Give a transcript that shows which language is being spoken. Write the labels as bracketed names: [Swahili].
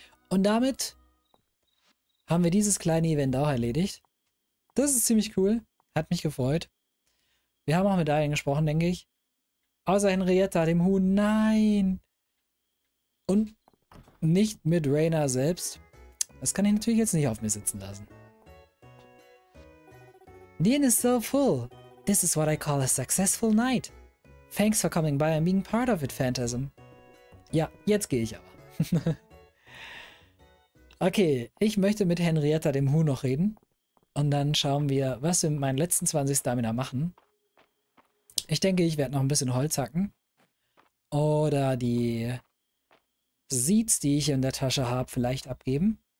[German] Und damit haben wir dieses kleine Event auch erledigt. Das ist ziemlich cool. Hat mich gefreut. Wir haben auch mit Aelin gesprochen, denke ich. Außer Henrietta, dem Huhn. Nein! Und nicht mit Rayna selbst. Das kann ich natürlich jetzt nicht auf mir sitzen lassen. [English] The inn is so full. This is what I call a successful night. Thanks for coming by and being part of it, Phantasm. [German] Ja, jetzt gehe ich aber. Okay, ich möchte mit Henrietta, dem Huhn, noch reden. Und dann schauen wir, was wir mit meinen letzten 20 Stamina machen. Ich denke, ich werde noch ein bisschen Holz hacken. Oder die Seeds, die ich in der Tasche habe, vielleicht abgeben.